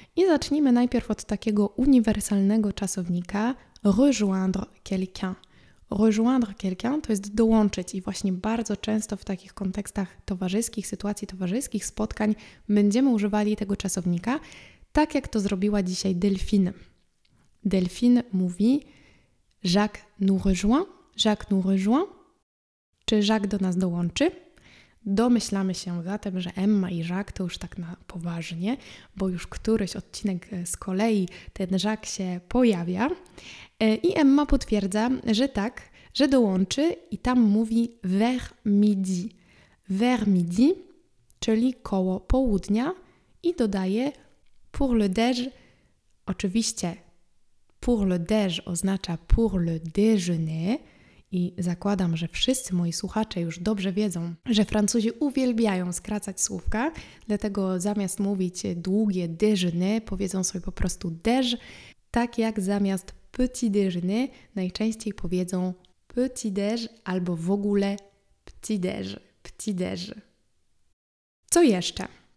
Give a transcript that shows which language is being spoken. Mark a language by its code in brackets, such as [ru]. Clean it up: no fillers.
[pl] I zacznijmy najpierw od takiego uniwersalnego czasownika [fr] rejoindre quelqu'un. Rejoindre quelqu'un [pl] to jest dołączyć i właśnie bardzo często w takich kontekstach towarzyskich, sytuacji towarzyskich, spotkań będziemy używali tego czasownika, tak jak to zrobiła dzisiaj Delphine. Delphine mówi [fr] Jacques nous rejoint, Jacques nous rejoint. [pl] Czy Jacques do nas dołączy? Domyślamy się zatem, że Emma i Jacques to już tak na poważnie, bo już któryś odcinek z kolei ten Jacques się pojawia. I Emma potwierdza, że tak, że dołączy i tam mówi [fr] vers midi. Vers midi, [pl] czyli koło południa i dodaje [fr] pour le déj. [pl] Oczywiście [fr] pour le déj [pl] oznacza [fr] pour le déjeuner. [pl] I zakładam, że wszyscy moi słuchacze już dobrze wiedzą, że Francuzi uwielbiają skracać słówka, dlatego zamiast mówić długie déjeuner, powiedzą sobie po prostu déj, tak jak zamiast petit déjeuner najczęściej powiedzą petit déj albo w ogóle petit déj, petit déj. Co jeszcze?